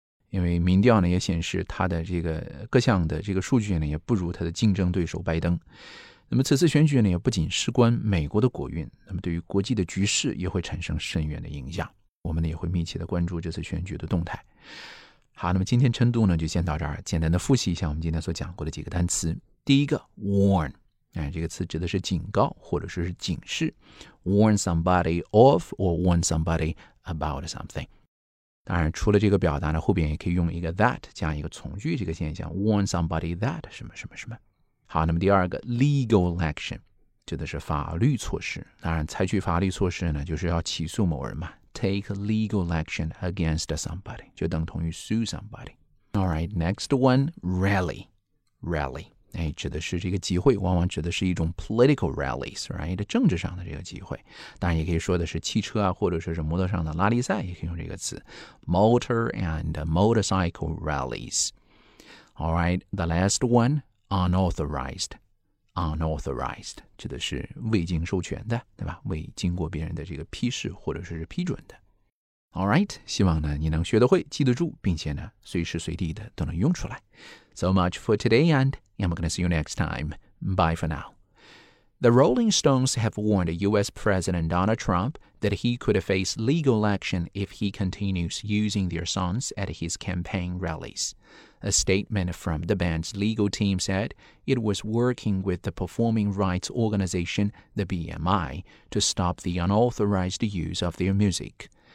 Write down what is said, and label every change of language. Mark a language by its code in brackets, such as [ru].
[zh] 因为民调呢也显示他的这个各项的这个数据呢也不如他的竞争对手拜登。那么此次选举呢也不仅事关美国的国运，那么对于国际的局势也会产生深远的影响。我们呢也会密切的关注这次选举的动态。好，那么今天晨读呢就先到这儿，简单的复习一下我们今天所讲过的几个单词。第一个 warn，这个词指的是警告或者是警示， [en] warn somebody of or warn somebody about something。 [zh] 当然除了这个表达呢，后边也可以用一个 that 加一个从句，这个现象 [en] warn somebody that [zh] 什么什么什么。好，那么第二个 legal action 指的是法律措施，当然采取法律措施呢就是要起诉某人嘛， [en] take legal action against somebody [zh] 就等同于 [en] sue somebody。 Alright, next one, [zh] rally指的是这个集会，往往指的是一种 [en] political rallies, right? [zh] 政治上的这个集会。当然也可以说的是汽车啊，或者说是摩托上的拉力赛，也可以用这个词 [en] motor and motorcycle rallies. All right, the last one, unauthorized. [zh] Unauthorized 指的是未经授权的，对吧？未经过别人的这个批示或者说是批准的。 [en] Alright, [zh] 希望呢你能学得会，记得住，并且呢随时随地的都能用出来。 [en] So much for today, and I'm going to see you next time. Bye for now. The Rolling Stones have warned U.S. President Donald Trump that he could face legal action if he continues using their songs at his campaign rallies. A statement from the band's legal team said it was working with the performing rights organization, the BMI, to stop the unauthorized use of their music.